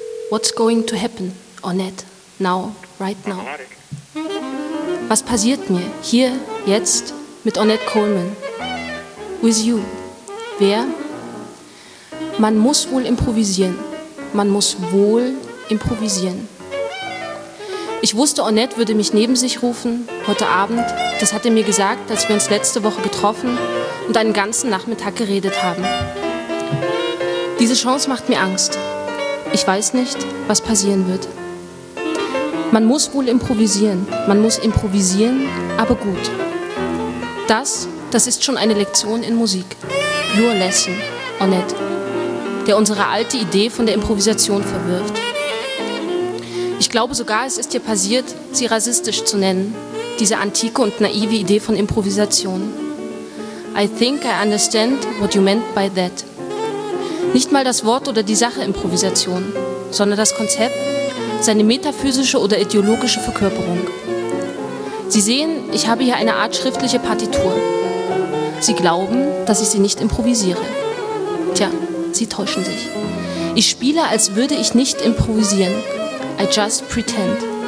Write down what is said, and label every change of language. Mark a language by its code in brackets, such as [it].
[en] What's going to happen, Ornette? Now, right now. [de] Was passiert mir hier, jetzt, mit Ornette Coleman? [en] With you. [de] Wer? Man muss wohl improvisieren. Man muss wohl improvisieren. Ich wusste, Ornette würde mich neben sich rufen, heute Abend. Das hat er mir gesagt, als wir uns letzte Woche getroffen und einen ganzen Nachmittag geredet haben. Diese Chance macht mir Angst. Ich weiß nicht, was passieren wird. Man muss wohl improvisieren. Man muss improvisieren, aber gut. Das ist schon eine Lektion in Musik. [en] Your lesson, [de] Ornette, der unsere alte Idee von der Improvisation verwirft. Ich glaube sogar, es ist dir passiert, sie rassistisch zu nennen, diese antike und naive Idee von Improvisation. [en] I think I understand what you meant by that. [de] Nicht mal das Wort oder die Sache Improvisation, sondern das Konzept, seine metaphysische oder ideologische Verkörperung. Sie sehen, ich habe hier eine Art schriftliche Partitur. Sie glauben, dass ich sie nicht improvisiere. Tja, sie täuschen sich. Ich spiele, als würde ich nicht improvisieren. [en] I just pretend.